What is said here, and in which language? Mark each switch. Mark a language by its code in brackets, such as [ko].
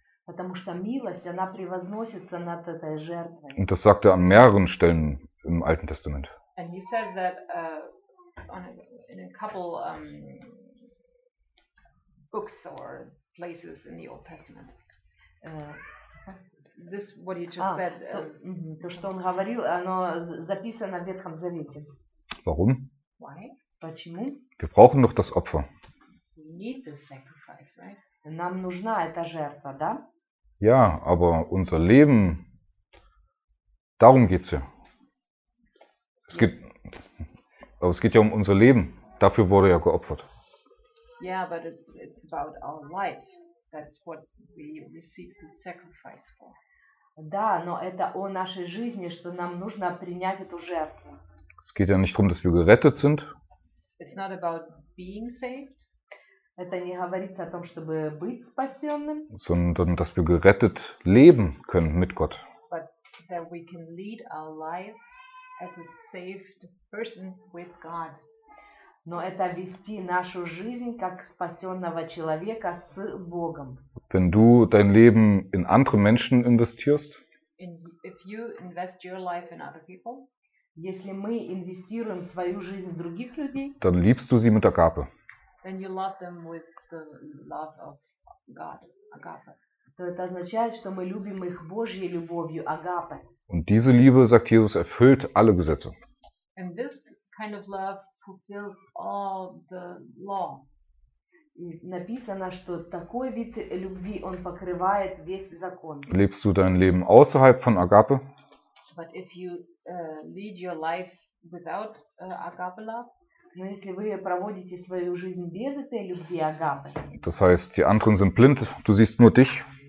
[ru] Потому что милость, она превозносится над этой жертвой. [de] Und das sagt an mehreren Stellen im Alten Testament. [en] And he says that in a couple books or places in the Old Testament. This what he just said. [ru] То, что он говорил, оно записано в Ветхом Завете. [de] Warum? [en] Why? [ru] Почему? [de] Wir brauchen doch das Opfer. [en] We need the sacrifice, right? [ru] Нам нужна эта жертва, да? [de] Ja, aber unser Leben, darum geht's ja. Es geht ja um unser Leben. Dafür wurde ja geopfert. [en] Yeah, but it's about our life. That's what we receive the sacrifice for. [ru] Да, но это о нашей жизни, что нам нужно принять эту жертву. [de] Es geht ja nicht darum, dass wir gerettet sind. [en] It's not about being saved. [ru] Это не говорится о том, чтобы быть спасенным. [de] Sondern, dass wir gerettet leben können mit Gott. [en] But that we can lead our life as a saved person with God. [ru] Но это вести нашу жизнь как спасенного человека с Богом. [de] Wenn du dein Leben in andere Menschen investierst, [en] if you invest your life in other people, [ru] если мы инвестируем свою жизнь в других людей, [de] dann liebst du sie mit Agape. [en] Then you love them with the love of God, Agape. [ru] То это означает, что мы любим их Божьей любовью, Агапе. [de] Und diese Liebe, sagt Jesus, erfüllt alle Gesetze. [en] And this kind of love fulfills all the law. [ru] И написано, что такой вид любви, он покрывает весь закон. [de] Lebst du dein Leben außerhalb von Agape? [en] But if you lead your life without agape love, [ru] но если вы проводите свою жизнь без этой любви агапы, [de] das heißt, die anderen sind blind, du siehst nur dich.